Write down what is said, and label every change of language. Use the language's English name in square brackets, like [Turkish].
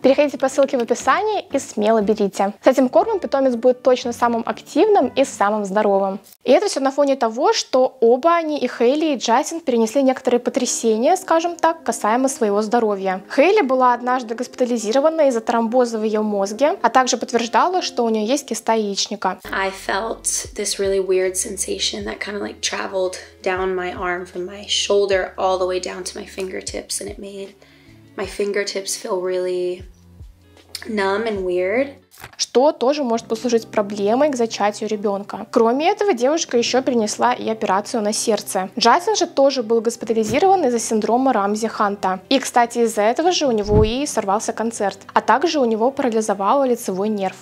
[Russian] Переходите по ссылке в описании и смело берите. С этим кормом питомец будет точно самым активным и самым здоровым. И это все на фоне того, что оба они, и Хейли, и Джастин, перенесли некоторые потрясения, скажем так, касаемо своего здоровья. Хейли была однажды госпитализирована из-за тромбоза в ее мозге, а также подтверждала, что у нее есть киста яичника. [English] I felt this really weird sensation that kind of like traveled down my arm from my shoulder all the way down to my fingertips, and it made my fingertips feel really numb and weird. [Russian] что тоже может послужить проблемой к зачатию ребенка. Кроме этого, девушка еще перенесла и операцию на сердце. Джастин же тоже был госпитализирован из-за синдрома Рамзи-Ханта. И, кстати, из-за этого же у него и сорвался концерт. А также у него парализовало лицевой нерв.